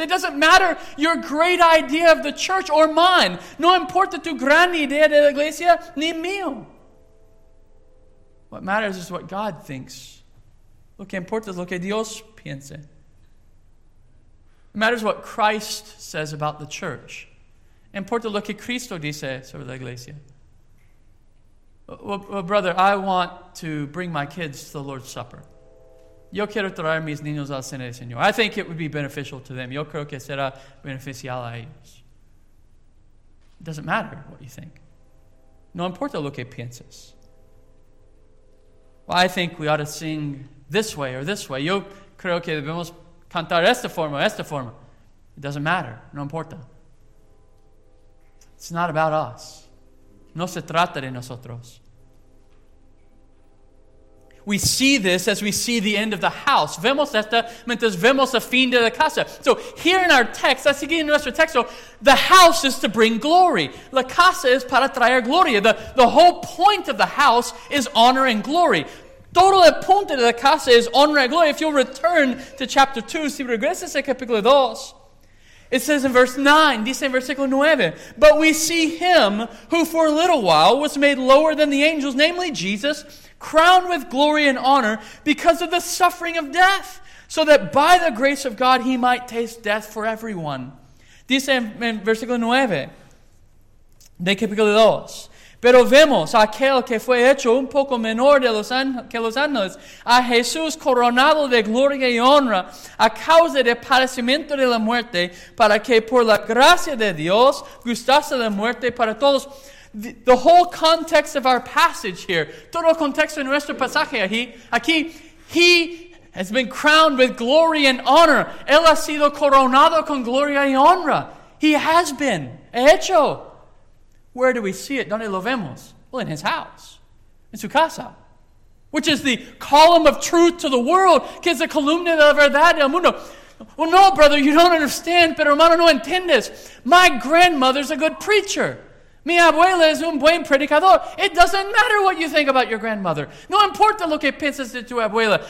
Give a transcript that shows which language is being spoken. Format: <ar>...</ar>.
<en>It doesn't matter your great idea of the church or mine.</en> <es>No importa tu gran idea de la iglesia ni mío.</es> <en>What matters is what God thinks.</en> <es>Lo que importa es lo que Dios piensa.</es> <en>It matters what Christ says about the church.</en> <es>Importa lo que Cristo dice sobre la iglesia.</es> <en>Well, brother, I want to bring my kids to the Lord's Supper.</en> <es>Yo quiero traer mis niños al Cena del Señor.</es> <en>I think it would be beneficial to them.</en> <es>Yo creo que será beneficial a ellos.</es> <en>It doesn't matter what you think.</en> <es>No importa lo que pienses.</es> <en>Well, I think we ought to sing this way or this way.</en> <es>Yo creo que debemos cantar esta forma</es> <en>o esta forma. It doesn't matter.</en> <es>No importa.</es> <en>It's not about us.</en> <es>No se trata de nosotros.</es> <en>We see this as we see the end of the house.</en> <es>Vemos esta mientras vemos el fin de la casa.</es> <en>So here in our text,</en> <es>así que en nuestro texto,</es> <en>the house is to bring glory.</en> <es>La casa es para traer gloria.</es> <en>The whole point of the house is honor and glory.</en> <es>Todo el punto de la casa es</es> <en>honor and glory. If you'll return to chapter 2,</en> <es>si regresas a capítulo 2,</es> <en>it says in verse 9,</en> <es>dice en versículo 9,</es> <en>but we see him who for a little while was made lower than the angels, namely Jesus, crowned with glory and honor because of the suffering of death, so that by the grace of God he might taste death for everyone.</en> <es>Dice en versículo 9 de capítulo 2. Pero vemos aquel que fue hecho un poco menor que los ángeles, a Jesús coronado de gloria y honra a causa del padecimiento de la muerte, para que por la gracia de Dios gustase la muerte para todos.</es> <en>The whole context of our passage here,</en> <es>todo el contexto de nuestro pasaje aquí,</es> <en>he has been crowned with glory and honor.</en> <es>Él ha sido coronado con gloria y honra.</es> <en>He has been. Hecho. Where do we see it?</en> <es>¿Dónde lo vemos?</es> <en>Well, in his house.</en> <es>En su casa.</es> <en>Which is the column of truth to the world,</en> <es>que es la columna de la verdad del mundo.</es> <en>Well, no, brother, you don't understand,</en> <es>pero hermano, no entiendes.</es> <en>My grandmother's a good preacher.</en> <es>Mi abuela es un buen predicador.</es> <en>It doesn't matter what you think about your grandmother.</en> <es>No importa lo que piensas de tu abuela.</es>